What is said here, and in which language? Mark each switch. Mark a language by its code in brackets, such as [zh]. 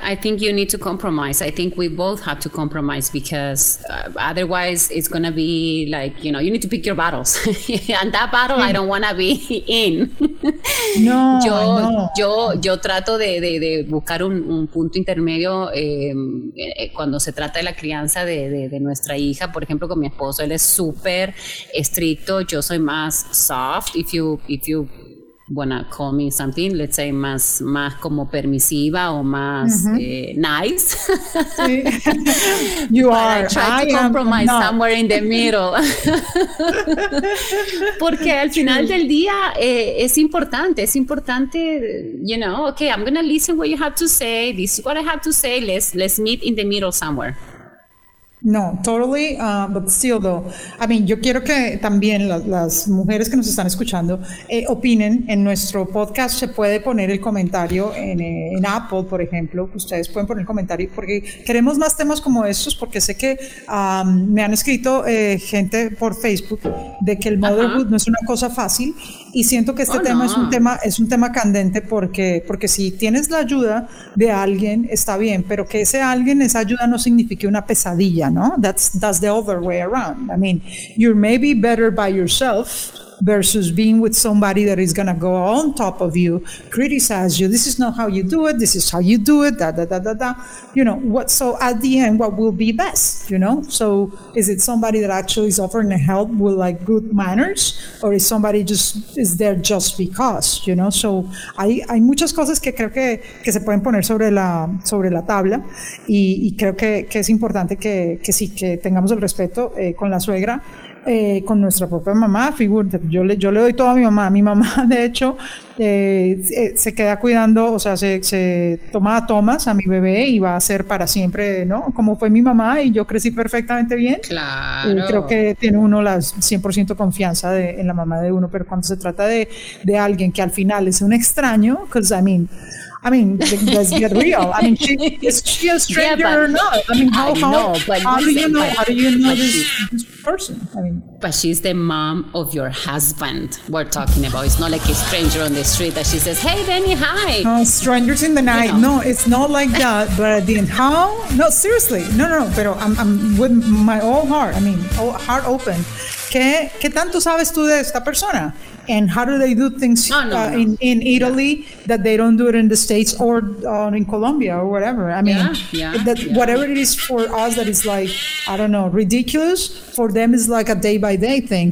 [en] I think you need to compromise. I think we both have to compromise because otherwise it's going to be like, you know, you need to pick your battles. And that battle I don't want to be in. [es] No, yo trato de buscar un punto intermedio cuando se trata de la crianza de nuestra hija. Por ejemplo, con mi esposo, él es súper estricto. Yo soy más soft, [en] if you wanna call me something, [es] let's say más como permisiva o más nice. Sí. [en] You are. I try to compromise somewhere in the middle. [es] Porque al final del día es importante, [en] you know, okay, I'm gonna listen what you have to say, this is what I have to say, let's meet in the middle somewhere. No, totally, but still though, I mean, [es] yo quiero que también las mujeres que nos están escuchando opinen en nuestro podcast. Se puede poner el comentario en Apple, por ejemplo, ustedes pueden poner el comentario, porque queremos más temas como estos, porque sé que me han escrito gente por Facebook de que el motherhood no es una cosa fácil, y siento que este tema es un tema candente, porque si tienes la ayuda de alguien, está bien, pero que ese alguien, esa ayuda no signifique una pesadilla. [en] No, that's the other way around. I mean, you're maybe better by yourself versus being with somebody that is gonna go on top of you, criticize you. This is not how you do it. This is how you do it. Da da da da da. You know what? So at the end, what will be best? You know. So is it somebody that actually is offering help with like good manners, or is somebody just is there just because? You know. [es] So hay muchas cosas que creo que se pueden poner sobre la tabla, y creo que es importante que sí que tengamos el respeto con la suegra. Con nuestra propia mamá, figúrate, yo le doy todo a mi mamá. Mi mamá, de hecho, se queda cuidando, o sea, se toma a Thomas, a mi bebé, y va a ser para siempre, ¿no? Como fue mi mamá, y yo crecí perfectamente bien. Claro. Creo que tiene uno la 100% confianza en la mamá de uno, pero cuando se trata de alguien que al final es un extraño, [en] because I mean, let's get real. I mean, is she a stranger or not? I mean, how do you know this person? I mean, but she's the mom of your husband we're talking about. It's not like a stranger on the street that she says, hey, Benny, hi. No, strangers in the night. You know. No, it's not like that. But at the end, how? No, seriously. No. [es] Pero [en] I'm with my whole heart. I mean, heart open. [es] ¿Qué tanto sabes tú de esta persona? [en] And how do they do things in Italy that they don't do it in the States or in Colombia or whatever? I mean, whatever it is for us that is like, I don't know, ridiculous, for them is like a day by day thing.